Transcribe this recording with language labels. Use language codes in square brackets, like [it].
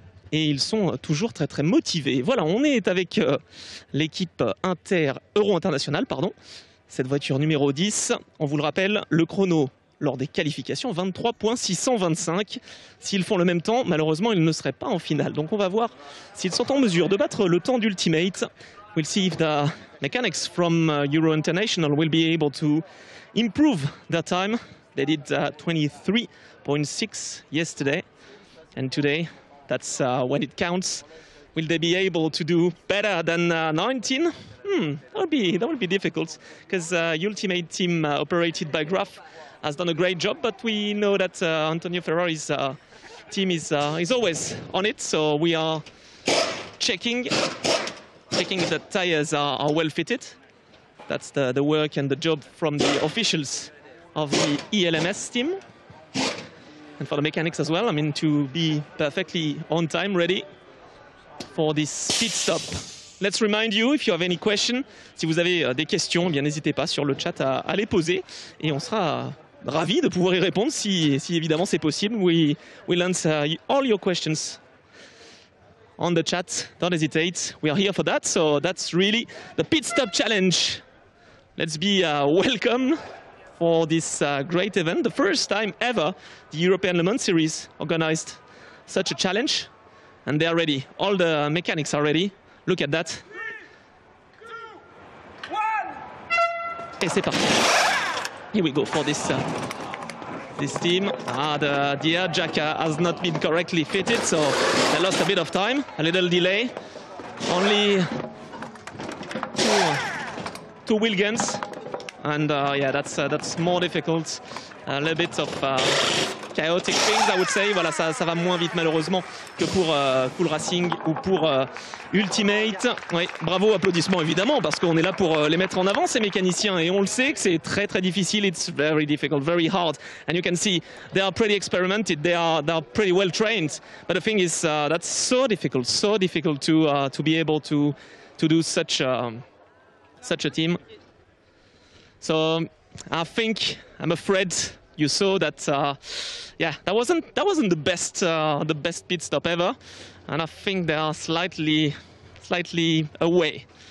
[fr] Et ils sont toujours très très motivés. Voilà, on est avec l'équipe Euro-Internationale, cette voiture numéro 10. On vous le rappelle, le chrono lors des qualifications, 23.625. S'ils font le même temps, malheureusement, ils ne seraient pas en finale. Donc on va voir s'ils sont en mesure de battre le temps d'Ultimate. [en] We'll see if the mechanics from Euro-International will be able to improve that time. They did 23.6 yesterday and today. That's when it counts. Will they be able to do better than 19? That would be difficult, because Ultimate team operated by Graf has done a great job, but we know that Antonio Ferrari's team is always on it, so we are checking if the tires are well fitted. That's the work and the job from the officials of the ELMS team. And for the mechanics as well, I mean, to be perfectly on time, ready for this pit stop. Let's remind you, if you have any questions, [fr] si vous avez des questions, eh bien n'hésitez pas sur le chat à les poser. Et on sera ravis de pouvoir y répondre si évidemment c'est possible. [en] We'll answer all your questions on the chat. Don't hesitate. We are here for that. So that's really the pit stop challenge. Let's be welcome for this great event. The first time ever the European Le Mans Series organized such a challenge. And they are ready. All the mechanics are ready. Look at that. 3, 2, 1. [fr] Et c'est parti. [en] Here we go for this this team. The air jack has not been correctly fitted, so they lost a bit of time, a little delay. Only two wheel guns. And that's more difficult. A little bit of chaotic things, I would say. [fr] Voilà, ça va moins vite malheureusement que pour Cool Racing ou pour Ultimate. Oui, bravo, applaudissements évidemment, parce qu'on est là pour les mettre en avant, ces mécaniciens, et on le sait que c'est très très difficile. [en] It's very difficult, very hard. And you can see they are pretty experimented. They are pretty well trained. But the thing is, that's so difficult to be able to do such a team. So I'm afraid you saw that that wasn't the best pit stop ever, and I think they are slightly away.